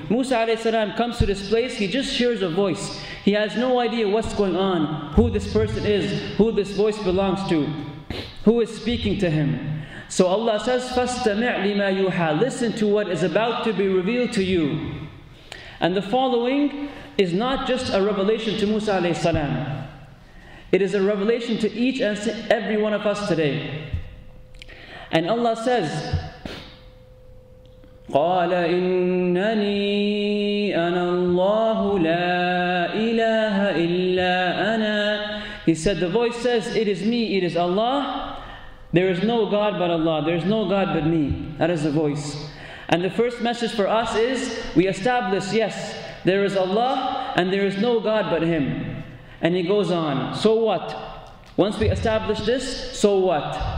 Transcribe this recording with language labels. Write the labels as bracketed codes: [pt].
[en] Musa alayhi salam comes to this place, he just hears a voice. He has no idea what's going on, who this person is, who this voice belongs to, who is speaking to him. So Allah says, [ar] فَاسْتَمِعْ لِمَا يُوحَى. [en] Listen to what is about to be revealed to you. And the following is not just a revelation to Musa alayhi salam. It is a revelation to each and every one of us today. And Allah says, [ar] قَالَ إِنَّنِي أَنَا اللَّهُ لَا إِلَهَ إِلَّا أَنَا. [en] He said, the voice says, it is me, it is Allah. There is no God but Allah. There is no God but me. That is the voice. And the first message for us is, we establish, yes, there is Allah and there is no God but Him. And he goes on, so what? Once we establish this, so what?